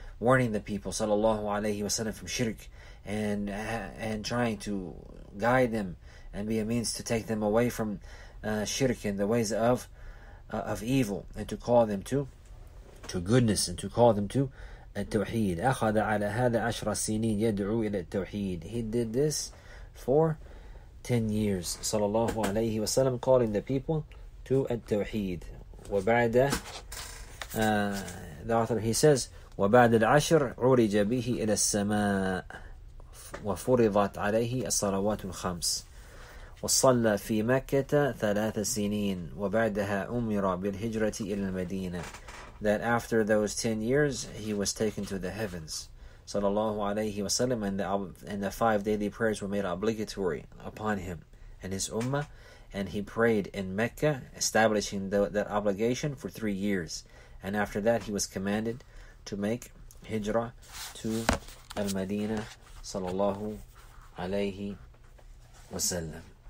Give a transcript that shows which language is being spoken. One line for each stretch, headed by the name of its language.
English: Warning the people, sallallahu alayhi wa sallam, from shirk, and trying to guide them and be a means to take them away from shirk and the ways of evil, and to call them to goodness, and to call them to التوحيد.
Arabic: أخذ على هذا عشر سنين يدعو إلى التوحيد.
English: He did this for 10 years, sallallahu alayhi wa sallam, calling the people to التوحيد.
Arabic: وبعد
English: the author, he says,
Arabic: وبعد العشر عرج به إلى السماء وفرضت عليه الصلوات الخمس وصلى في مكة 3 سنين وبعدها أمر بالهجرة إلى المدينة.
English: That after those 10 years he was taken to the heavens, sallallahu alayhi wasallam, and the 5 daily prayers were made obligatory upon him and his ummah, and he prayed in Mecca, establishing that obligation for 3 years, and after that he was commanded to make hijrah to Al-Madinah, sallallahu alayhi wasallam.